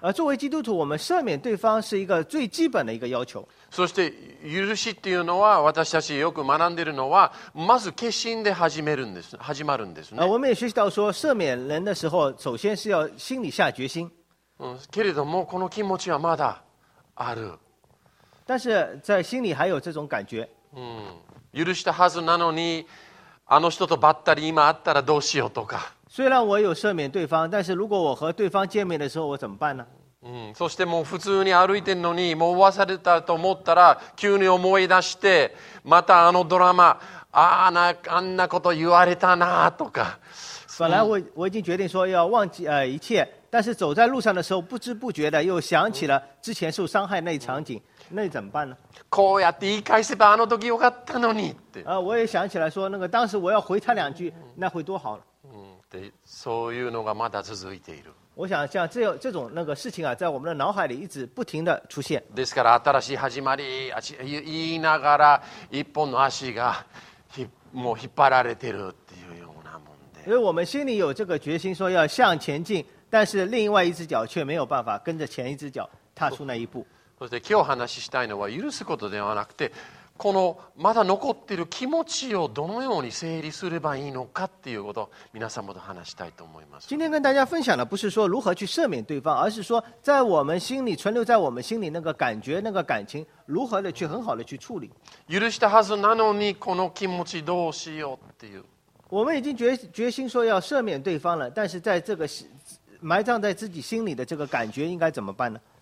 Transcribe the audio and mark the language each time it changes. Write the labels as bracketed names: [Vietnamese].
[Chinese] 作为基督徒，我们赦免对方是一个最基本的一个要求。 [Japanese] そして許しっていうのは私たちよく学んでいるのはまず決心で始めるんです。始まるんですね。 [Chinese] 我们也学习到说赦免人的时候，首先是要心里下决心。 [Japanese] けれどもこの気持ちはまだある。 [Chinese] 但是在心里还有这种感觉。 [Japanese] 許したはずなのに。あの人とばったり今会ったらどうしようとか。 [Chinese] 虽然我有赦免对方，但是如果我和对方见面的时候，我怎么办呢？ [Japanese] そしてもう普通に歩いてんのに、もう忘れたと思ったら、急に思い出して、またあのドラマ、あんなこと言われたなとか。 [Chinese] 本来我已经决定说要忘记一切，但是走在路上的时候，不知不觉的又想起了之前受伤害那一场景。那怎么办呢？ [Japanese] こうやって言い返せばあの時よかったのにって。 [Chinese] 我也想起来说，那个当时我要回他两句，那会多好了。 [Japanese] で、そういうのがまだ続いている。 [Chinese] 我想像这种那个事情啊，在我们的脑海里一直不停的出现。 [Japanese] ですから新しい始まり、言いながら一本の足がもう引っ張られてるっていうようなもんで。 [Chinese] 因为我们心里有这个决心说要向前进，但是另外一只脚却没有办法跟着前一只脚踏出那一步。 [Japanese] そして今日話したいのは許すことではなくて、このまだ残っている気持ちをどのように整理すればいいのかっていうことを皆様と話したいと思います。 [Chinese] 今天跟大家分享的不是说如何去赦免对方，而是说在我们心里存留在我们心里那个感觉、那个感情如何的去很好的去处理。 [Japanese] 許したはずなのにこの気持ちどうしようっていう。 [Chinese] 我们已经 决心说要赦免对方了，但是在这个埋葬在自己心里的这个感觉应该怎么办呢？